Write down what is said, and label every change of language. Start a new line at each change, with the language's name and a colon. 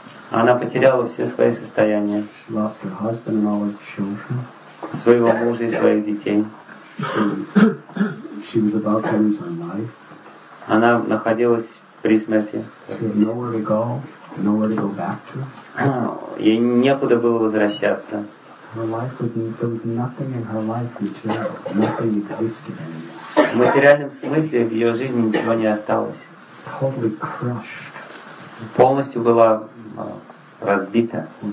Russian: Она потеряла все свои состояния.
English: She lost her husband and all her children.
Russian: Своего мужа и своих детей.
English: She was about to lose her life.
Russian: Она находилась при смерти.
English: She had nowhere to go, nowhere to go back to.
Russian: Ей некуда было возвращаться.
English: Her life was, there was nothing in her life material. Nothing existed anymore.
Russian: В материальном смысле в ее жизни ничего не осталось.
English: Totally crushed.
Russian: Полностью была разбита.